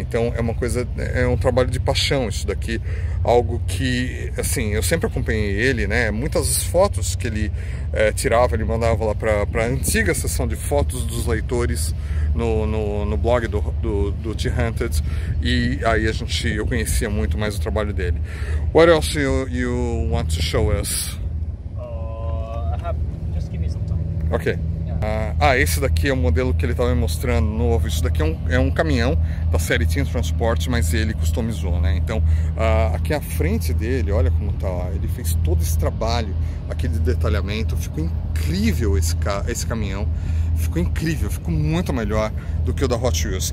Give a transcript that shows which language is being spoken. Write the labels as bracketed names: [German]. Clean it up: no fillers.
[Portuguese] Então é uma coisa, é um trabalho de paixão isso daqui. Algo que, assim, eu sempre acompanhei ele, né? Muitas das fotos que ele tirava, ele mandava lá para a antiga sessão de fotos dos leitores no blog do The Hunted, e aí eu conhecia muito mais o trabalho dele. [English] What else you want to show us? I have, just give me some time. Ok. [Portuguese] Esse daqui é o modelo que ele estava me mostrando, novo. Isso daqui é um caminhão da série Team Transport, mas ele customizou, né? Então, aqui a frente dele, olha como tá, ó. Ele fez todo esse trabalho aqui de detalhamento. Ficou incrível esse caminhão. Ficou incrível, ficou muito melhor do que o da Hot Wheels.